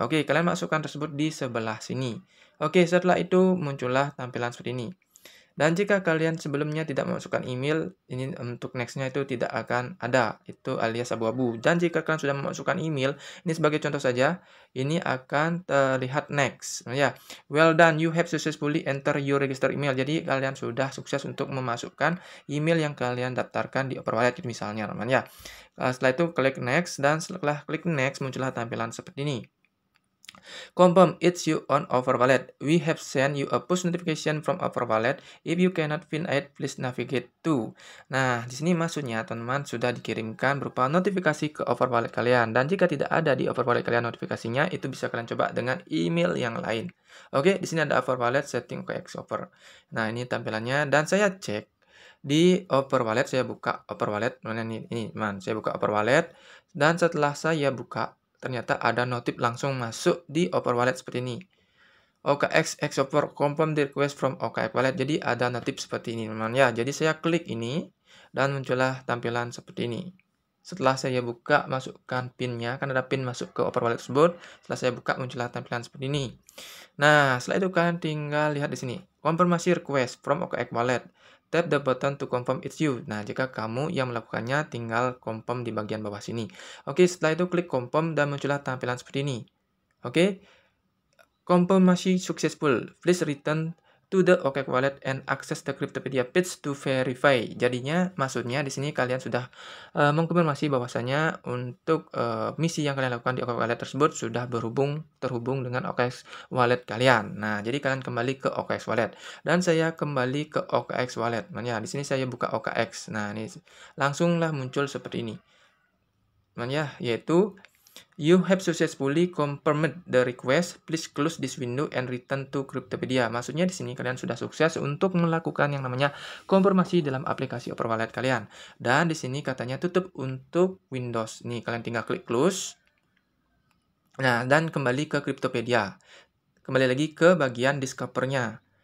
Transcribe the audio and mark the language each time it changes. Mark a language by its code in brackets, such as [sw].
[id] Oke, kalian masukkan tersebut di sebelah sini. Oke, setelah itu muncullah tampilan seperti ini. Dan jika kalian sebelumnya tidak memasukkan email, ini untuk nextnya itu tidak akan ada, itu alias abu-abu. Dan jika kalian sudah memasukkan email, ini sebagai contoh saja, ini akan terlihat next. [en] Ya, well done, you have successfully enter your register email. [id] Jadi kalian sudah sukses untuk memasukkan email yang kalian daftarkan di Over Wallet, misalnya, teman-teman, ya. Setelah itu klik next, dan setelah klik next muncullah tampilan seperti ini. [en] Confirm it's you on Over Wallet. We have sent you a push notification from Over Wallet. If you cannot find it, please navigate to. [id] Nah, di sini maksudnya teman-teman sudah dikirimkan berupa notifikasi ke Over Wallet kalian. Dan jika tidak ada di Over Wallet kalian notifikasinya, itu bisa kalian coba dengan email yang lain. Oke, di sini ada Over Wallet setting OKX Over. Nah, ini tampilannya. Dan saya cek di Over Wallet, saya buka Over Wallet. Mana ini, man? Saya buka Over Wallet. Dan setelah saya buka, ternyata ada notif langsung masuk di Over Wallet seperti ini. [en] OKX X Over confirm the request from OKX Wallet. [id] Jadi ada notif seperti ini, teman-teman, ya. Jadi saya klik ini dan muncullah tampilan seperti ini. Setelah saya buka, masukkan pinnya. Kan ada pin masuk ke Over Wallet tersebut. Setelah saya buka, muncullah tampilan seperti ini. Nah, setelah itu kalian tinggal lihat di sini. [en] Konfirmasi request from OKX Wallet. Tap the button to confirm it's you. [id] Nah, jika kamu yang melakukannya, tinggal confirm di bagian bawah sini. Oke, setelah itu klik confirm dan muncullah tampilan seperti ini. Oke, confirmasi successful. [en] Please return to the OKX Wallet and access the Cryptopedia page to verify. [id] Jadinya, maksudnya di sini kalian sudah mengkonfirmasi bahwasannya untuk misi yang kalian lakukan di OKX Wallet tersebut sudah terhubung dengan OKX Wallet kalian. Nah, jadi kalian kembali ke OKX Wallet. Dan saya kembali ke OKX Wallet. Ya, di sini saya buka OKX. Nah, ini langsunglah muncul seperti ini. Ya, yaitu [en] You have successfully confirmed the request. Please close this window and return to Cryptopedia. [id] Maksudnya di sini kalian sudah sukses untuk melakukan yang namanya konfirmasi dalam aplikasi Opera Wallet kalian. Dan di sini katanya tutup untuk Windows. Nih, kalian tinggal klik close. Nah, dan kembali ke Cryptopedia. Kembali lagi ke bagian discover-nya.